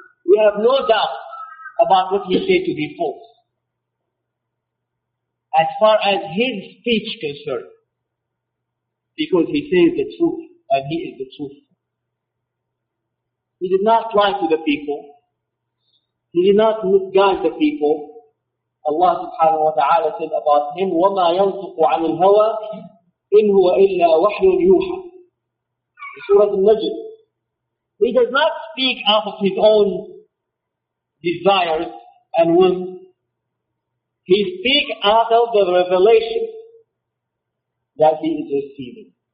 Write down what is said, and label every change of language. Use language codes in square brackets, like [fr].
[en] We have no doubt about what he said to be false. As far as his speech concerned, because he says the truth, and he is the truth. He did not lie to the people. He did not misguide the people. Allah subhanahu wa ta'ala said about him, [ar] وَمَا يَنْطُقُ عَنِ الْهَوَىٰ إِنْ هُوَ إِلَّا وَحْيٌ يُوحَىٰ. [en] The Surah Al-Najm. He does not speak out of his own desires and whims. He speaks out of the revelation that he is receiving.